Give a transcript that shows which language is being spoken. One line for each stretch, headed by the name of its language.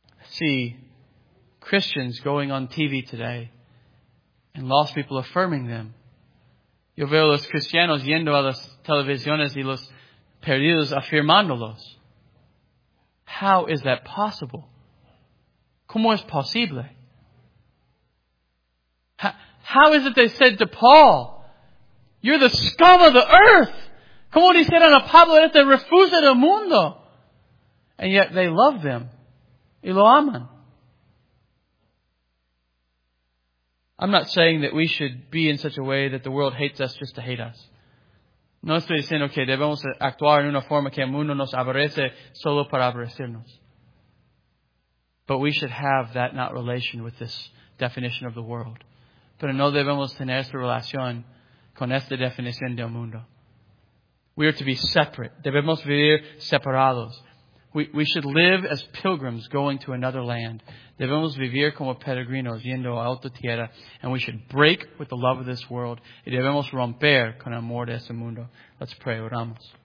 English: See, Christians going on TV today, and lost people affirming them.
Spanish: Yo veo los cristianos yendo a las televisiones y los perdidos afirmándolos.
English: How is that possible?
Spanish: ¿Cómo es posible?
English: How is it they said to Paul, you're the scum of the earth.
Spanish: ¿Cómo dijeron a Pablo, eres el refugio del mundo?
English: And yet they love them.
Spanish: Y lo aman.
English: I'm not saying that we should be in such a way that the world hates us just to hate us.
Spanish: No estoy diciendo que debemos actuar en una forma que el mundo nos aborrece solo para aborrecernos.
English: But we should have that not relation with this definition of the world.
Spanish: Pero no debemos tener esta relación con esta definición del mundo.
English: We are to be separate.
Spanish: Debemos vivir separados.
English: We should live as pilgrims going to another land.
Spanish: Debemos vivir como peregrinos yendo a otra tierra.
English: And we should break with the love of this world.
Spanish: Y debemos romper con el amor de este mundo.
English: Let's pray.
Spanish: Oramos.